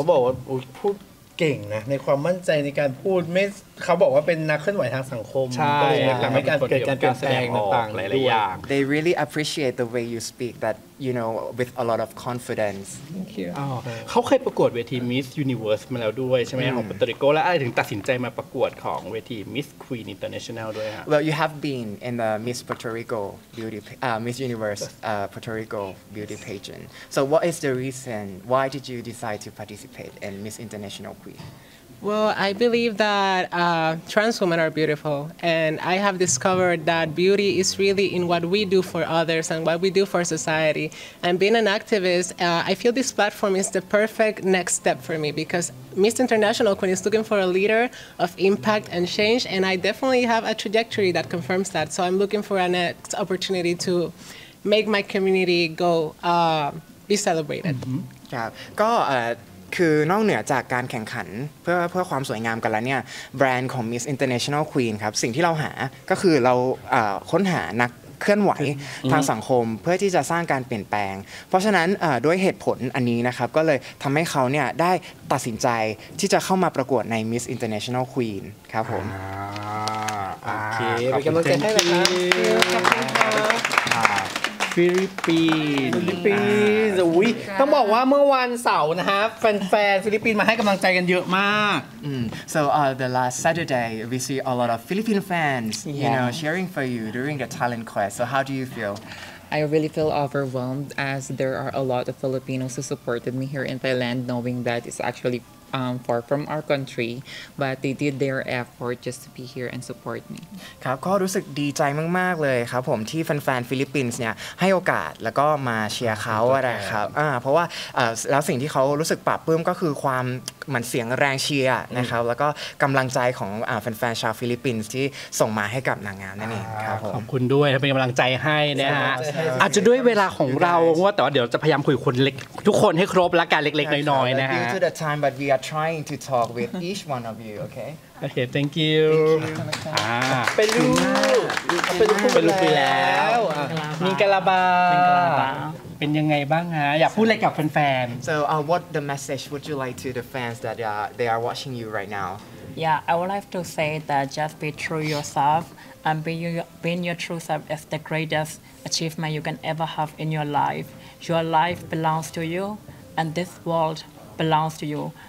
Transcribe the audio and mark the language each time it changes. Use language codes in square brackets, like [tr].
[th] มบอกว่าพูดเก่งนะในความมั่นใจในการพูดไม่เขาบอกว่าเป็นนักเคลื่อนไหวทางสังคม ใช่ ทำให้การเกิดการเปลี่ยนแปลงต่าง ๆหลายๆอย่าง [en] They really appreciate the way you speak that you know with a lot of confidence Thank you [th] เขาเคยประกวดเวที Miss Universe มาแล้วด้วยใช่ไหมของปอร์โตริโกและอะไรถึงตัดสินใจมาประกวดของเวที Miss Queen International ด้วยฮะ [en] Well you have been in the Miss Puerto Rico beauty Miss Universe Puerto Rico beauty pageant so what is the reason why did you decide to participate in Miss International Queen Well, I believe that trans women are beautiful, and I have discovered that beauty is really in what we do for others and what we do for society. And being an activist, I feel this platform is the perfect next step for me because Miss International Queen is looking for a leader of impact and change, and I definitely have a trajectory that confirms that. So I'm looking for a next opportunity to make my community go be celebrated. Mm-hmm. Yeah. Go. [th] คือนอกเหนือจากการแข่งขันเพื่อความสวยงามกันแล้วเนี่ยแบรนด์ของ Miss International Queen ครับสิ่งที่เราหาก็คือเราค้นหานักเคลื่อนไหวทางสังคมเพื่อที่จะสร้างการเปลี่ยนแปลงเพราะฉะนั้นด้วยเหตุผลอันนี้นะครับก็เลยทำให้เขาเนี่ยได้ตัดสินใจที่จะเข้ามาประกวดใน Miss International Queen ครับผม โอเคเป็นกำลังใจให้เลยครับฟิลิปปินส์ อุ้ยต้องบอกว่าเมื่อวันเสาร์นะฮะแฟนๆฟิลิปปินส์มาให้กำลังใจกันเยอะมาก [en] so the last Saturday we see a lot of Philippine fans you know cheering for you during the talent quest so how do you feel I really feel overwhelmed as there are a lot of Filipinos who supported me here in Thailand knowing that it's actually far from our country but they did their effort just to be here and support me [th] ครับก็รู้สึกดีใจมากๆเลยครับผมที่แฟนๆฟิลิปปินส์เนี่ยให้โอกาสแล้วก็มาเชียร์เขาอะไรครับเพราะว่าแล้วสิ่งที่เขารู้สึกปลาบปลื้มก็คือความมันเสียงแรงเชียร์นะครับแล้วก็กำลังใจของแฟนๆชาวฟิลิปปินส์ที่ส่งมาให้กับนางงามนั่นเองครับ ขอบคุณด้วยที่เป็นกำลังใจให้นะฮะอาจจะด้วยเวลาของเราว่าแต่ว่าเดี๋ยวจะพยายามคุยคนเล็กทุกคนให้ครบละกันเล็กๆน้อยๆนะฮะ [en] due to the time but we are trying to talk with each one of you okay okay thank you [th] เป็นลูกเป็นลูกไปแล้วมีกะลาบาเป็นยังไงบ้างฮะอยากพูดอะไรกับแฟน [en] ๆ so what the message would you like to the fans that they are watching you right now yeah I would like to say that just be true yourselfAnd being your true self is the greatest achievement you can ever have in your life. Your life belongs to you, and this world belongs to you.